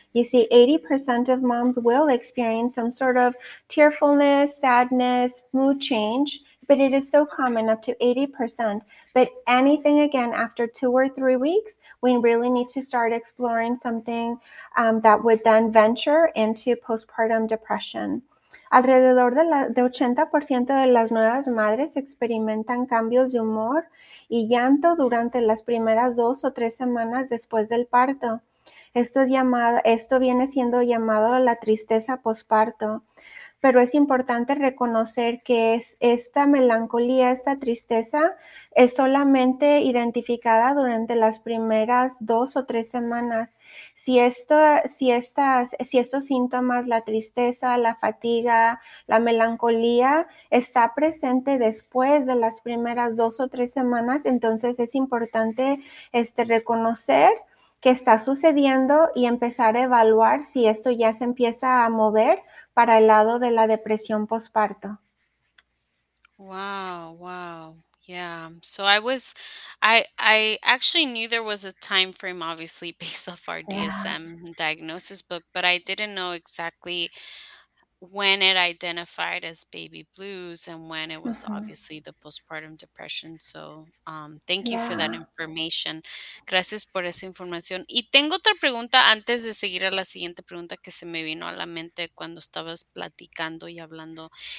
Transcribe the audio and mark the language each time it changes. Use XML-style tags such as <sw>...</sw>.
<en>You see, 80% of moms will experience some sort of tearfulness, sadness, mood change, but it is so common, up to 80%. But anything, again, after 2 or 3 weeks, we really need to start exploring something that would then venture into postpartum depression.</en> <es>Alrededor de 80% de las nuevas madres experimentan cambios de humor y llanto durante las primeras 2 o 3 semanas después del parto. Esto viene siendo llamado la tristeza postparto. Pero es importante reconocer que esta melancolía, esta tristeza, es solamente identificada durante las primeras 2 o 3 semanas. Si estos síntomas, la tristeza, la fatiga, la melancolía, está presente después de las primeras 2 o 3 semanas, entonces es importante reconocer qué está sucediendo y empezar a evaluar si esto ya se empieza a mover para el lado de la depresión postparto.</es> <en>Wow. Yeah. So I actually knew there was a time frame, obviously, based off our DSM diagnosis book, but I didn't know exactly when it identified as baby blues and when it was obviously the postpartum depression. So thank you for that information.</en> <es>Gracias por esa información. Y tengo otra pregunta antes de seguir a la siguiente pregunta que se me vino a la mente cuando estabas platicando y hablando.</es>